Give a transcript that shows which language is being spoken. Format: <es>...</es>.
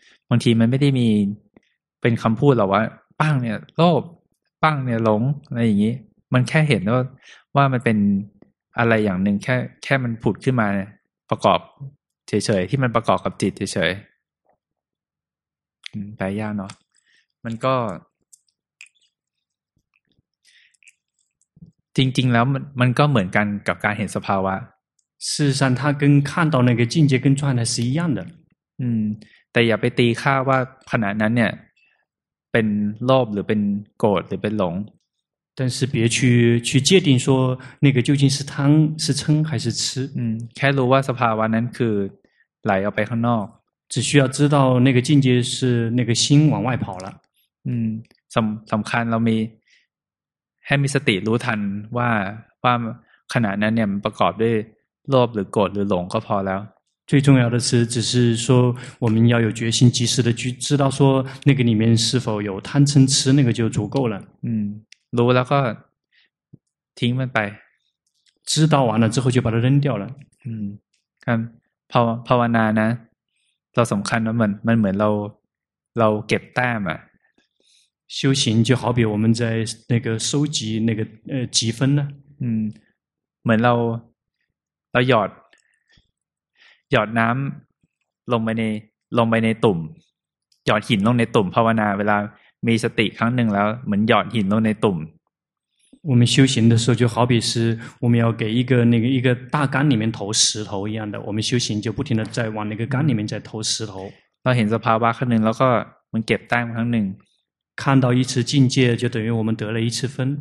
<th>บางทีมันไม่ได้มีเป็นคำพูดหรอกว่าปั้งเนี่ยโลภปั้งเนี่ยหลงอะไรอย่างนี้มันแค่เห็นว่ามันเป็นอะไรอย่างหนึ่งแค่มันผุดขึ้นมาประกอบเฉยๆที่มันประกอบกับจิตเฉยๆแต่ยากเนาะมันก็จริงๆแล้วมันก็เหมือนกันกับการเห็นสภาวะ</th> <zh>事实上它跟看到那个境界跟状态是一样的</zh> <th>แต่อย่าไปตีค่าว่าขณะนั้นเนี่ยเป็นโลภหรือเป็นโกรธหรือเป็นหลง</th> <zh>但是别去界定说那个究竟是贪是嗔还是痴</zh> <th>แค่รู้ว่าสภาวะนั้นคือไหลออกไปข้างนอก</th> <zh>只需要知道那个境界是那个心往外跑了</zh> <th>สำคัญเรามีให้มีสติรู้ทันว่าขณะนั้นเนี่ยประกอบด้วยโลภหรือโกรธหรือหลงก็พอแล้ว</th> <zh>最重要的是只是说我们要有决心及时的去知道说那个里面是否有贪嗔痴那个就足够了</zh> <th>รู้แล้วก็ทิ้งมันไป</th> <zh>知道完了之后就把它扔掉了</zh> <th>การภาวนานะเราสำคัญว่ามันเหมือนเราเก็บแต้มอะ</th> <zh>修行就好比我们在那个收集那个积分呢</zh> <th>เหมือนเราหยอดน้ำลงไปในตุ่มหยอดหินลงในตุ่มภาวนาเวลามีสติครั้งหนึ่งแล้วเหมือนหยอดหินลงในตุ่ม</th> <zh>我们修行的时候就好比是我们要给一个那个一个大缸里面投石头一样的我们修行就不停的在往那个缸里面再投石头</zh> <th>เราเห็นสภาวะครั้งหนึ่งแล้วก็มันเก็บแต้มครั้งหนึ่ง</th> <zh>看到一次境界就等于我们得了一次分</zh>